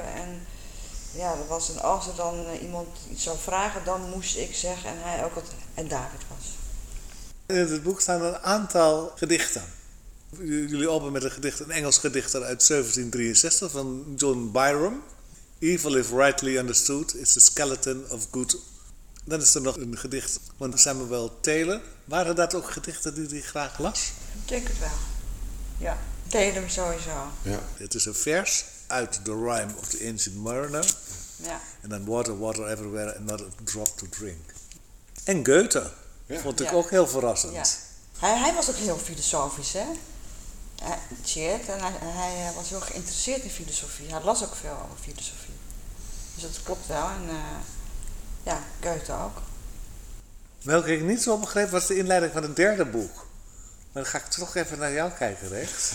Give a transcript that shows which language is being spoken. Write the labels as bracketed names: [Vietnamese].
[Dutch] En ja, dat was een, als er dan iemand iets zou vragen, dan moest ik zeggen. En hij ook en David was. In het boek staan een aantal gedichten. Jullie openen met een gedicht, een Engels gedicht uit 1763 van John Byrom. [English] Evil, if rightly understood, is the skeleton of good. [Dutch] Dan is er nog een gedicht van Samuel Taylor. Waren dat ook gedichten die hij graag las? Ik denk het wel. Ja, Taylor sowieso. Ja. Het is een vers uit The Rime of the Ancient Mariner. Ja. [English] And then water, water everywhere and not a drop to drink. [Dutch] En Goethe, ja. Vond ik ja. Ook heel verrassend. Ja. Hij was ook heel filosofisch, hè? Tjeerd, en hij was heel geïnteresseerd in filosofie. Hij las ook veel over filosofie. Dus dat klopt wel. En ja, Goethe ook. Welke ik niet zo begreep, was de inleiding van een derde boek. Maar dan ga ik toch even naar jou kijken, Rex.